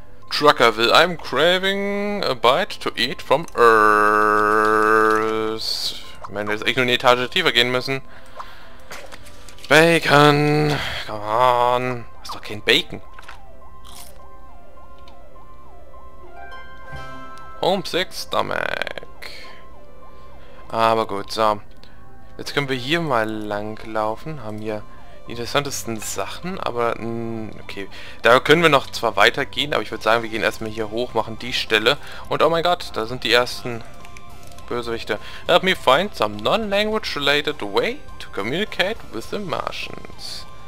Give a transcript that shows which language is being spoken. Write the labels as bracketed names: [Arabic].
[English] Truckerville, I'm craving a bite to eat from Earth. [German] Ich meine, wir jetzt echt nur eine Etage tiefer gehen müssen. Bacon, [English] come on. [German] Ist doch kein Bacon. [English] Homesick Stomach. [German] Aber gut, so. Jetzt können wir hier mal langlaufen. Haben hier die interessantesten Sachen, aber... okay, da können wir noch zwar weitergehen, aber ich würde sagen, wir gehen erstmal hier hoch, machen die Stelle. Und oh mein Gott, da sind die ersten Bösewichte. [English] Help me find some non-language-related way to communicate with the Martians.